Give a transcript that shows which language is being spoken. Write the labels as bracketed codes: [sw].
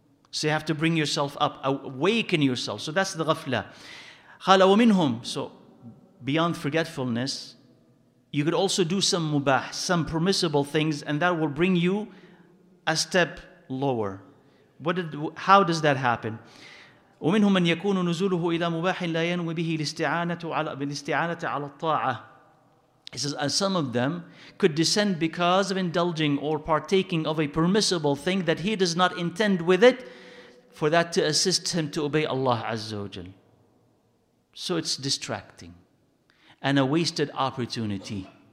[en] So you have to bring yourself up, awaken yourself. So that's the ghafla. [ar] Khala wa minhum. [en] So beyond forgetfulness, you could also do some mubah, some permissible things, and that will bring you a step lower. How does that happen? [ar] ومنهم من يكون نزوله إلى مباح لا ينوي به الاستعانة على الطاعة. [en] He says, and some of them could descend because of indulging or partaking of a permissible thing that he does not intend with it, for that to assist him to obey Allah Azza wa Jal. So it's distracting and a wasted opportunity.